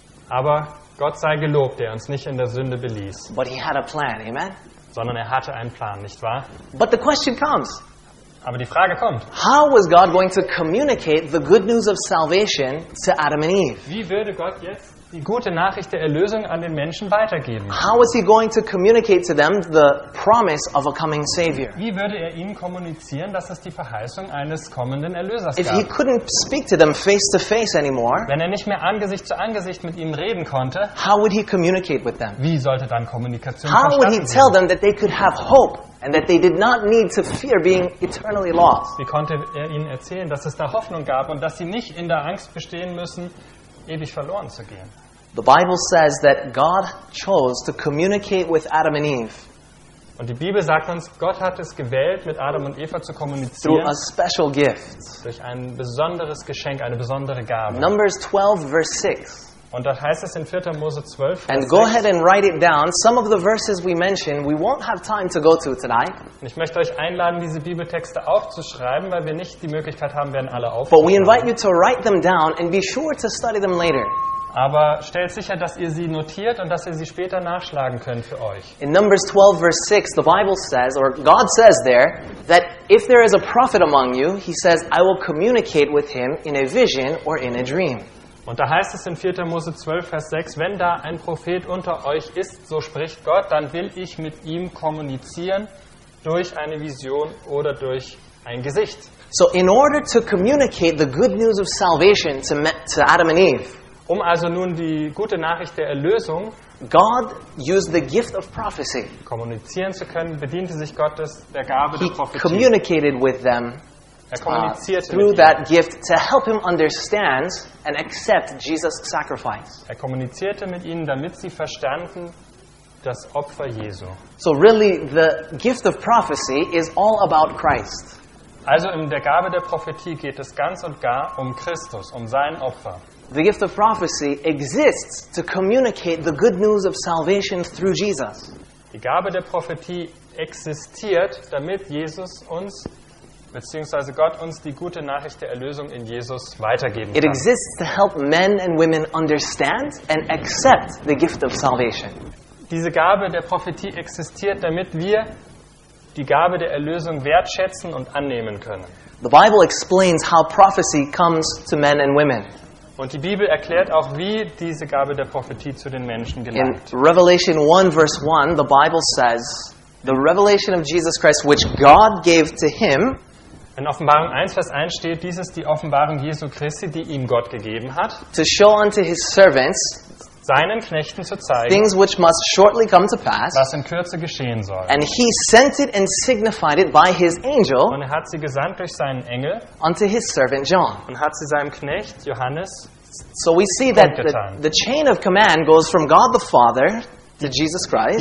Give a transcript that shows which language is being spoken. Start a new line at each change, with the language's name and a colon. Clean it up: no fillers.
German: Aber Gott sei gelobt, der uns nicht in der Sünde beließ.
English: But he had a plan, amen?
German: Sondern er hatte einen Plan, nicht wahr?
English: But the question comes.
German: Aber die Frage kommt.
English: How was God going to communicate the good news of salvation to Adam and Eve?
German: Wie würde Gott jetzt die gute Nachricht der Erlösung an den Menschen weitergeben?
English: How was he going to communicate to them the promise of a coming savior?
German: Wie würde er ihnen kommunizieren, dass es die Verheißung eines kommenden Erlösers gab?
English: If he couldn't speak to them face to face anymore?
German: Wenn er nicht mehr Angesicht zu Angesicht mit ihnen reden konnte?
English: How would he communicate with them?
German: Wie sollte dann Kommunikation
English: How would he tell them that they could have hope? And that they did not need to fear being eternally lost.
German: Wie konnte er ihnen erzählen, dass es da Hoffnung gab und dass sie nicht in der Angst bestehen müssen, ewig verloren zu gehen?
English: The Bible says that God chose to communicate with Adam and Eve.
German: Und die Bibel sagt uns, Gott hat es gewählt, mit Adam und Eva zu kommunizieren.
English: Through a special gift.
German: Durch ein besonderes Geschenk, eine besondere Gabe.
English: Numbers 12, verse 6.
German: Und da heißt es in 4. Mose 12,
English: And go ahead and write it down. Some of the verses we mentioned, we won't have time to go to tonight.
German: Und ich möchte euch einladen, diese Bibeltexte aufzuschreiben, weil wir nicht die Möglichkeit haben werden, alle aufzuschreiben.
English: But we invite you to write them down and be sure to study them later.
German: Aber stellt sicher, dass ihr sie notiert und dass ihr sie später nachschlagen könnt für euch.
English: In Numbers 12, verse 6, the Bible says, or God says there, that if there is a prophet among you, he says, I will communicate with him in a vision or in a dream.
German: Und da heißt es in 4. Mose 12, Vers 6, wenn da ein Prophet unter euch ist, so spricht Gott, dann will ich mit ihm kommunizieren durch eine Vision oder durch ein Gesicht.
English: So in order to communicate the good news of salvation to Adam and Eve,
German: um also nun die gute Nachricht der Erlösung,
English: God used the gift of prophecy.
German: Kommunizieren zu können, bediente sich Gott der Gabe der Prophetie.
English: He communicated with them.
German: Er kommunizierte
English: through that gift to help him understand and accept Jesus' sacrifice.
German: Er kommunizierte mit ihnen, damit sie verstanden das Opfer Jesu.
English: So really the gift of prophecy is all about Christ.
German: Also in der Gabe der Prophetie geht es ganz und gar um Christus, um sein Opfer.
English: The gift of prophecy exists to communicate the good news of salvation through Jesus.
German: Die Gabe der Prophetie existiert, damit Jesus uns beziehungsweise Gott uns die gute Nachricht der Erlösung in Jesus weitergeben kann.
English: It exists to help men and women understand and accept the gift of salvation.
German: Diese Gabe der Prophetie existiert, damit wir die Gabe der Erlösung wertschätzen und annehmen können.
English: The Bible explains how prophecy comes to men and women.
German: Und die Bibel erklärt auch, wie diese Gabe der Prophetie zu den Menschen gelangt.
English: In Revelation 1 verse 1, the Bible says, the revelation of Jesus Christ which God gave to him.
German: In Offenbarung 1, Vers 1 steht, dies ist die Offenbarung Jesu Christi, die ihm Gott gegeben hat.
English: To show unto his servants,
German: seinen Knechten zu zeigen,
English: things which must shortly come to pass,
German: was in Kürze geschehen soll.
English: And he sent it and signified it by his angel,
German: und er hat sie gesandt durch seinen Engel,
English: unto his servant John,
German: und hat sie seinem Knecht Johannes.
English: So we see that the chain of command goes from God the Father to Jesus Christ.